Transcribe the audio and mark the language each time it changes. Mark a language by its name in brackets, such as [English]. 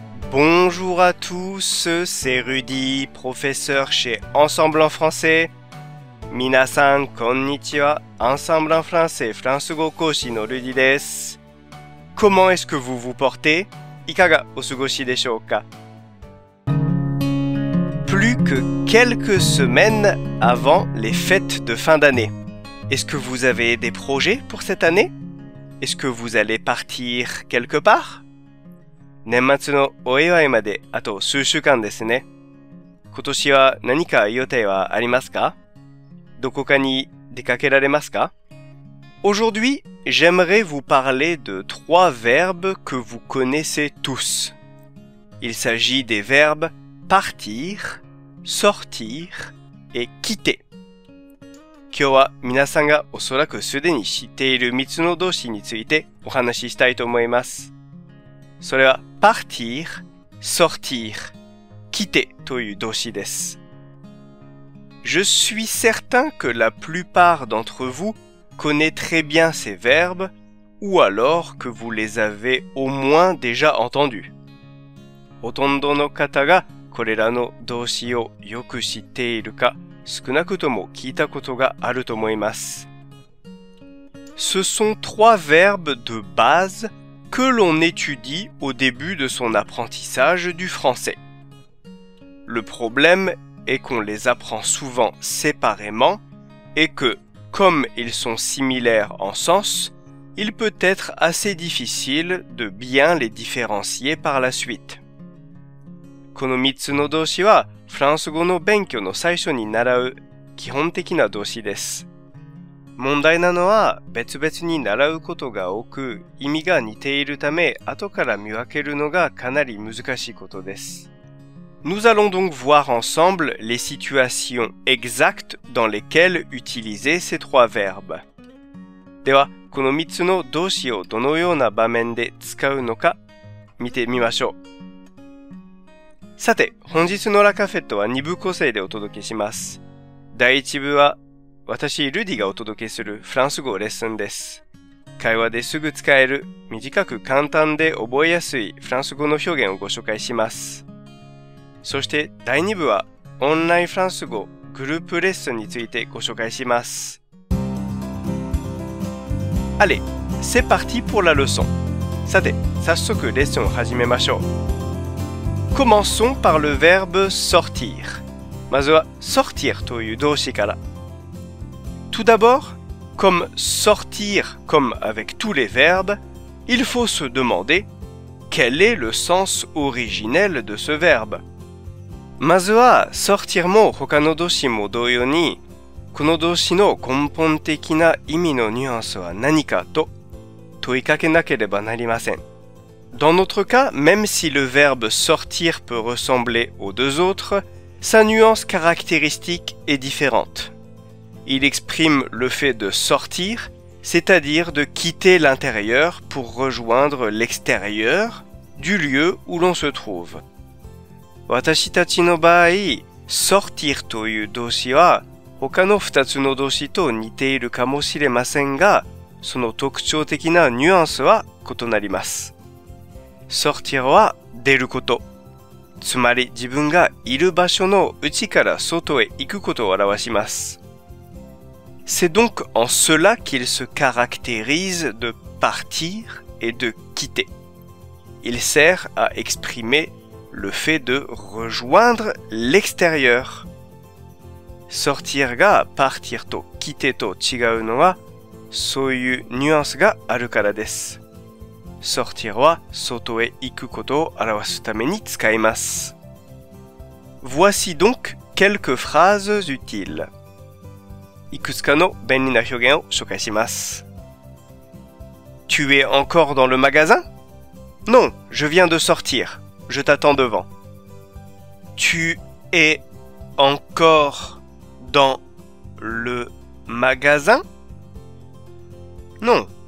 [French] Bonjour à tous, c'est Rudy, professeur chez Ensemble en français. [Japanese] 皆さんこんにちは、Ensemble en français、フランス語講師のルディです。 [French] Comment est-ce que vous vous portez ? [Japanese] いかがお過ごしでしょうか ? [French] Plus que quelques semaines avant les fêtes de fin d'année. Est-ce que vous avez des projets pour cette année ? Est-ce que vous allez partir quelque part ? [Japanese] 年末のお祝いまであと数週間ですね。今年は何か予定はありますか ? どこかに出かけられますか ? [French] Aujourd'hui, j'aimerais vous parler de trois verbes que vous connaissez tous. Il s'agit des verbes partir, sortir et quitter. [Japanese] 今日は皆さんがおそらくすでに知っている三つの動詞についてお話ししたいと思います。それは partir, sortir, quitter という動詞です。 [French] Je suis certain que la plupart d'entre vous connaissent très bien ces verbes ou alors que vous les avez au moins déjà entendus. [Japanese] ほとんどの方がこれらの動詞をよく知っているか、少なくとも聞いたことがあると思います。 [French] Ce sont trois verbes de base que l'on étudie au début de son apprentissage du français. Le problème est qu'on les apprend souvent séparément et que, comme ils sont similaires en sens, il peut être assez difficile de bien les différencier par la suite. [Japanese] この3つの動詞はフランス語の勉強の最初に習う基本的な動詞です。問題なのは別々に習うことが多く意味が似ているため後から見分けるのがかなり難しいことです。 [French] Nous allons donc voir ensemble les situations exactes dans lesquelles utiliser ces trois verbes. [Japanese] ではこの3つの動詞をどのような場面で使うのか見てみましょう。さて本日のラカフェットは2部構成でお届けします。第1部は私、ルディがお届けするフランス語レッスンです。会話ですぐ使える、短く簡単で覚えやすいフランス語の表現をご紹介します。そして第2部は、オンラインフランス語グループレッスンについてご紹介します。 [French] Allez, c'est parti pour la leçon! [Japanese] さて、早速レッスンを始めましょう。 [French] Commençons par le verbe sortir. [Japanese] まずは、sortir という動詞から。 [French] Tout d'abord, comme sortir, comme avec tous les verbes, il faut se demander quel est le sens originel de ce verbe. [Japanese] まずは sortir も他の動詞も同様に、この動詞の根本的な意味のニュアンスは何かと問いかけなければなりません。 [French] Dans notre cas, même si le verbe sortir peut ressembler aux deux autres, sa nuance caractéristique est différente. Il exprime le fait de sortir, c'est-à-dire de quitter l'intérieur pour rejoindre l'extérieur du lieu où l'on se trouve. [Japanese] 私たちの場合、sortir という動詞は他の2つの動詞と似ているかもしれませんが、その特徴的なニュアンスは異なります。 sortir は出ること。つまり自分がいる場所の内から外へ行くことを表します。 [French] C'est donc en cela qu'il se caractérise de partir et de quitter. Il sert à exprimer le fait de rejoindre l'extérieur. [Japanese] Sortir が partir と quitter と違うのは、そういうニュアンスがあるからです。 Sortir は外へ行くことを表すために使います。 [French] Voici donc quelques phrases utiles. [Japanese] いくつかの便利な表現を紹介します。 [French] Tu es encore dans le magasin? Non, je viens de sortir. Je t'attends devant. Tu es encore dans le magasin? Non,